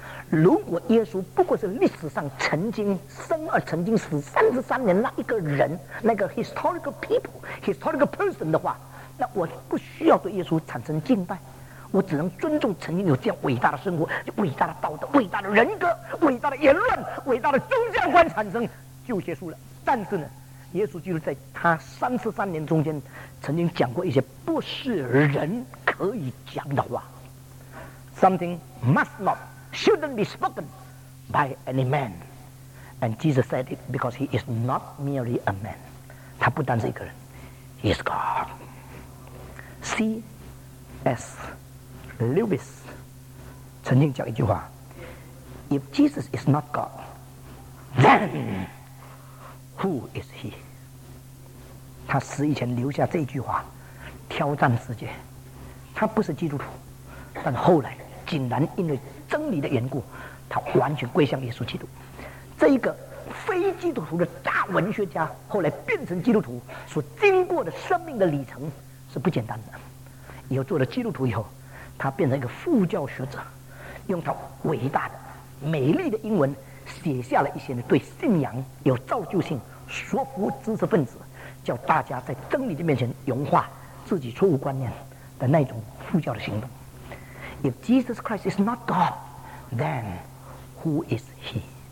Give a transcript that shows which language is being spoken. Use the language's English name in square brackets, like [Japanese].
[Chinese] 如果耶稣不过是历史上曾经生而曾经死33年那一个人，那个 [English] historical people historical person [Chinese] 的话，那我不需要对耶稣产生敬拜，我只能尊重曾经有这样伟大的生活、伟大的道德、伟大的人格、伟大的言论、伟大的宗教观产生就结束了。但是呢，耶稣就是在他33年中间曾经讲过一些不是人可以讲的话。 [English] Something must not shouldn't be spoken by any man, and Jesus said it because he is not merely a man. [Chinese] 他不单是一个人， [English] He is God. C.S. Lewis [Chinese] 曾经讲一句话， [English] If Jesus is not God, then who is he? [Chinese] 他死以前留下这句话，挑战世界。他不是基督徒，但后来竟然因为真理的缘故，他完全归向耶稣基督。这一个非基督徒的大文学家，后来变成基督徒，所经过的生命的里程是不简单的。以后做了基督徒以后，他变成一个副教学者，用他伟大的、美丽的英文写下了一些对信仰有造就性、说服知识分子，叫大家在真理的面前融化自己错误观念的那种副教的行动。 [English] If Jesus Christ is not God, then who is He?